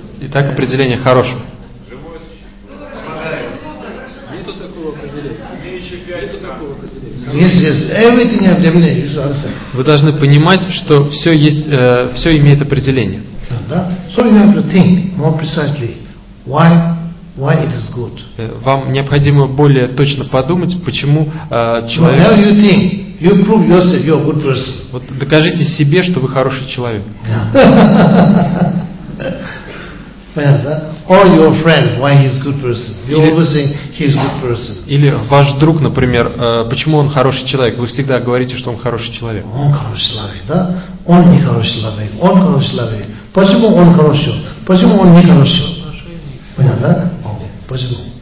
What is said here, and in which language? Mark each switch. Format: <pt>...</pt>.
<ru>Итак, определение хорошее. Живое существо. Нету такого определения. Нету такого определения.</ru> <en>Yes, yes.</en> <ru>Вы должны понимать, что все есть, все имеет определение.</ru> <en>So you have to think more precisely why. Why it is good?</en> <ru>Вам необходимо более точно подумать, почему человек.</ru> <en>Well, now you think, you prove yourself, you're a good person.</en> <ru>Вот докажите себе, что вы хороший человек.</ru> <en>Yeah. Or your friend, why he's a good person? You always say he's a good person.</en> <ru>Или ваш друг, например, почему он хороший человек? Вы всегда говорите, что он хороший человек. Он хороший человек, да? Он не хороший человек. Он хороший человек. Почему он хороший? Почему он не хороший? Понятно? Почему?</ru>